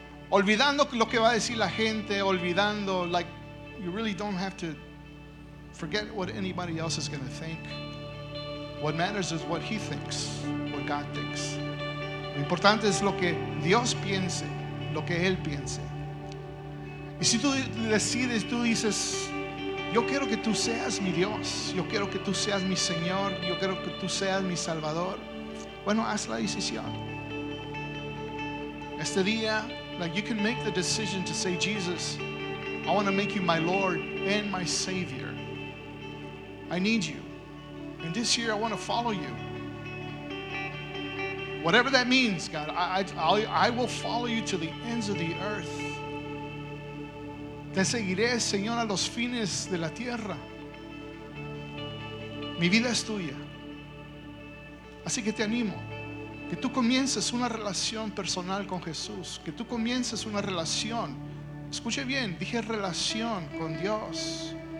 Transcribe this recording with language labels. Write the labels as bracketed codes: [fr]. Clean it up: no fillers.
[es] Olvidando lo que va a decir la gente, olvidando, [en] like, you really don't have to forget what anybody else is going to think. What matters is what he thinks, what God thinks. [es] Lo importante es lo que Dios piense, lo que Él piense. Y si tú decides, tú dices: yo quiero que tú seas mi Dios, yo quiero que tú seas mi Señor, yo quiero que tú seas mi Salvador. Bueno, haz la decisión. Este día, [en] like, you can make the decision to say: Jesus, I want to make you my Lord and my Savior. I need you. And this year I want to follow you. Whatever that means, God, I will follow you to the ends of the earth. [es] Te seguiré, Señor, a los fines de la tierra. Mi vida es tuya. Así que te animo que tú comiences una relación personal con Jesús. Que tú comiences una relación. Escuche bien, dije relación con Dios.